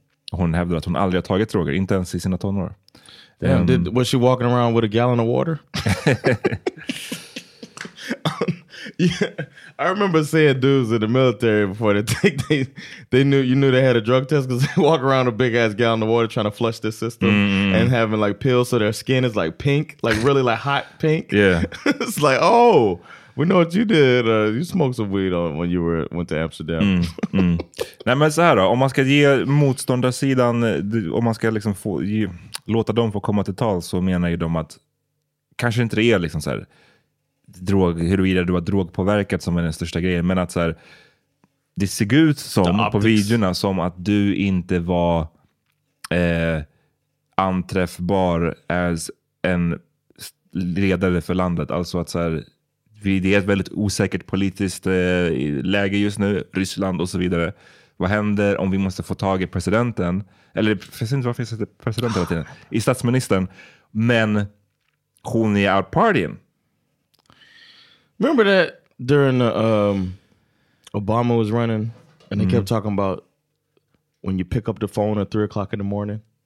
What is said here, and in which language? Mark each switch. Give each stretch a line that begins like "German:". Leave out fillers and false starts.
Swedish: Hon hävdade att hon aldrig har tagit droger, inte ens i sina tonår.
English: Was she walking around with a gallon of water? Yeah, I remember seeing dudes in the military before they knew they had a drug test because they walk around a big ass gallon of water trying to flush their system and having like pills so their skin is like pink, like really like hot pink. Yeah, it's like, oh, we know what you did. You smoked some weed when you went to Amsterdam.
Swedish: Nej, men så här då, om man ska ge motståndarsidan, om man ska liksom låta dem få komma till tal, så menar ju de att kanske inte det är liksom så här drog, huruvida du har drogpåverkat som är den största grejen, men att så här, det ser ut som på videorna som att du inte var anträffbar as en ledare för landet, alltså att så här, det är ett väldigt osäkert politiskt läge just nu, Ryssland och så vidare. Vad händer om vi måste få tag i presidenten, eller jag vet inte varför jag sätter presidenten hela tiden, i statsministern, men hon är
English: out partying. Remember that during the Obama was running and they kept talking about when you pick up the phone at 3 o'clock in the morning?